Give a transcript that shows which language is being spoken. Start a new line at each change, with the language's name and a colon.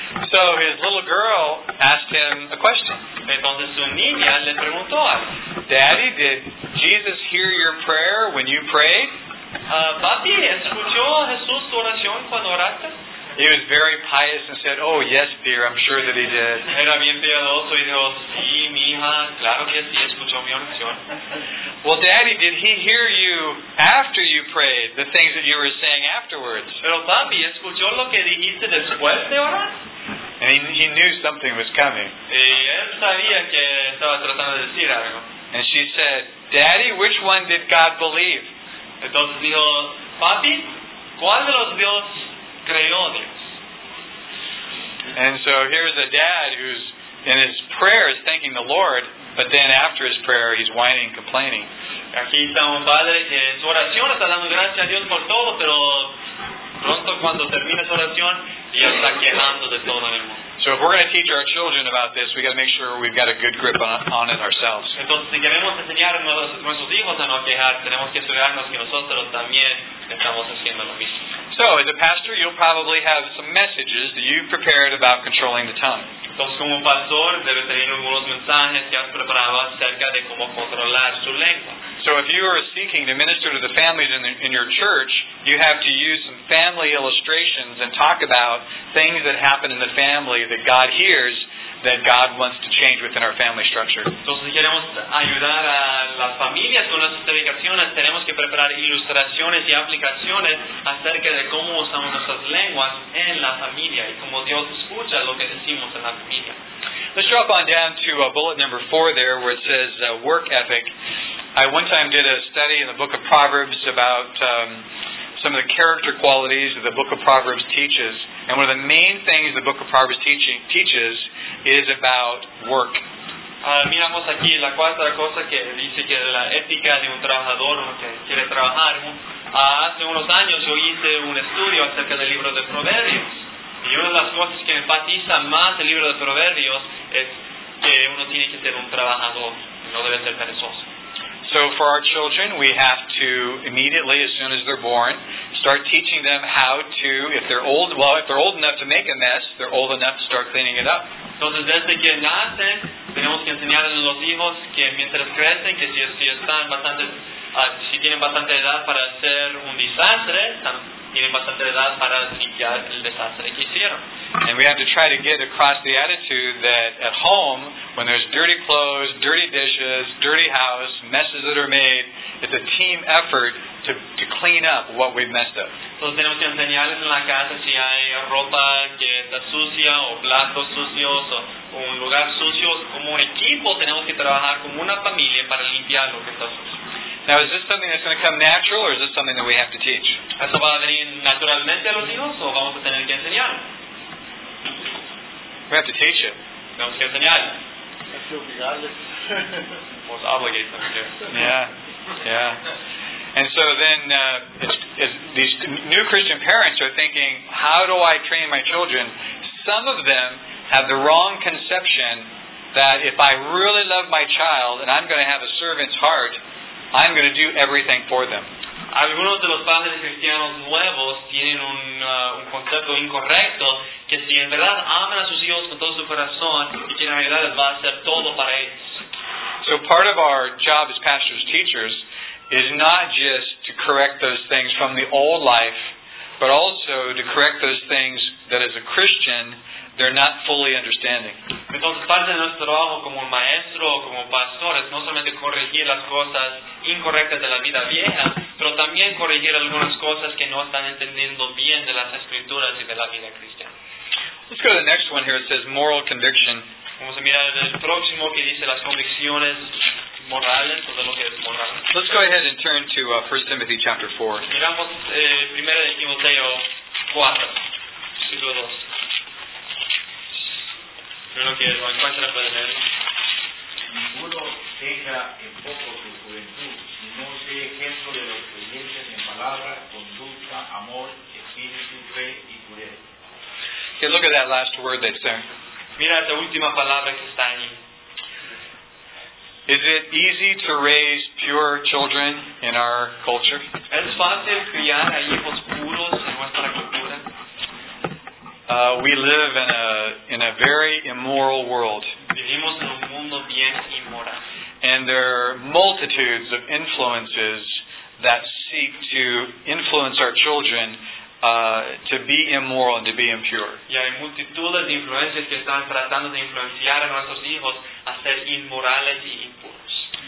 English: So his little girl asked him a question.
Spanish: Entonces su niña le preguntó.
English: Daddy, did Jesus hear your prayer when you prayed?
Spanish: Papi, ¿escuchó Jesús tu oración cuando oraste?
English: He was very pious and said, "Oh yes, dear, I'm sure that he did."
Spanish: Era bien piadoso y dijo, "Sí, mija, claro que sí, escuchó mi oración."
English: Well, Daddy, did he hear you after you prayed, the things that you were saying afterwards?
Spanish: Pero papi, ¿escuchó lo que dijiste después de orar?
English: And he knew something was coming.
Spanish: Y él sabía que estaba tratando de decir algo.
English: And she said, "Daddy, which one did God believe?"
Spanish: Entonces dijo, papi, ¿cuál de los dios?
English: And so here's a dad who's in his prayer is thanking the Lord, but then after his prayer he's whining, complaining.
Spanish: Aquí está un padre que en su oración está dando gracias a Dios por todo, pero pronto cuando termina su oración ya está quejando de todo el mundo.
English: So if we're going to teach our children about this, we got to make sure we've got a good grip on it ourselves.
Spanish: Entonces, si queremos enseñar a nuestros hijos a no quejar, tenemos que asegurarnos que nosotros también estamos haciendo lo mismo.
English: So, as a pastor, you'll probably have some messages that you've prepared about controlling the tongue.
Spanish: Entonces, como pastor, debes tener algunos mensajes que has preparado acerca de cómo controlar su lengua.
English: So if you are seeking to minister to the families in your church, you have to use some family illustrations and talk about things that happen in the family that God hears that God wants to change within our family structure.
Spanish: Entonces, si queremos ayudar a las familias con nuestras predicaciones, tenemos que preparar ilustraciones y aplicaciones acerca de cómo usamos nuestras lenguas en la familia y cómo Dios escucha lo que decimos en la familia.
English: Let's drop on down to bullet number 4 there where it says work ethic. I one time did a study in the book of Proverbs about some of the character qualities that the book of Proverbs teaches. And one of the main things the book of Proverbs teaches is about work.
Spanish: Miramos aquí la cuarta cosa que dice que la ética de un trabajador, uno que quiere trabajar. Hace unos años yo hice un estudio acerca del libro de Proverbios. Y una de las cosas que enfatiza más el libro de Proverbios es que uno tiene que ser un trabajador, no debe ser perezoso.
English: So for our children, we have to immediately, as soon as they're born, start teaching them how to, if they're old enough to make a mess, they're old enough to start cleaning it up.
Spanish: Entonces, desde que nacen, tenemos que enseñar a los hijos que mientras crecen, que si tienen bastante edad para hacer un desastre, tienen bastante edad para limpiar el desastre que hicieron.
English: And we have to try to get across the attitude that at home, when there's dirty clothes, dirty dishes, dirty house, messes that are made, it's a team effort to clean up what we've messed up.
Spanish: Entonces tenemos que enseñarles en la casa si hay ropa que está sucia o platos sucios o un lugar sucio, como un equipo tenemos que trabajar como una familia para limpiar lo que está sucio.
English: Now, is this something that's going to come natural or is this something that we have to teach?
Spanish: ¿Eso va a venir naturalmente a los hijos o vamos a tener que enseñar?
English: We have to teach it.
Spanish: Tenemos que enseñar.
English: Most obligate them to. Yeah. And so then these new Christian parents are thinking, how do I train my children? Some of them have the wrong conception that if I really love my child and I'm going to have a servant's heart, I'm going to do everything for them.
Spanish: Algunos de los padres cristianos nuevos tienen un concepto incorrecto, que si en verdad aman a sus hijos con todo su corazón, y que en realidad va a hacer todo para ellos.
English: So part of our job as pastors, teachers, is not just to correct those things from the old life, but also to correct those things that as a Christian, they're not fully understanding.
Spanish: Entonces, parte de nuestro trabajo como maestro o como pastor es no solamente corregir las cosas incorrectas de la vida vieja, pero también corregir algunas cosas que no están entendiendo bien de las escrituras y de la vida cristiana.
English: Let's go to the next one here. It says moral conviction.
Spanish: Vamos a mirar el próximo que dice las convicciones morales o de lo que es moral.
English: Let's go ahead and turn to 1 Timothy chapter 4.
Spanish: Miramos 1 Timoteo 4, versículo 2. Ninguno tenga en poco su juventud, sino sea ejemplo de los creyentes en palabra, conducta, amor, espíritu, fe y pureza.
English: Okay, look at that last word that's there.
Spanish: Mira esa última palabra que está allí.
English: Is it easy to raise pure children in our culture?
Spanish: ¿Es fácil criar a hijos puros en nuestra cultura?
English: We live in a very immoral world.
Spanish: Vivimos en un mundo bien inmoral.
English: And there are multitudes of influences that seek to influence our children to be immoral and to be impure.
Spanish: Y hay multitudes de influencias que están tratando de influenciar a nuestros hijos a ser inmorales y impuros.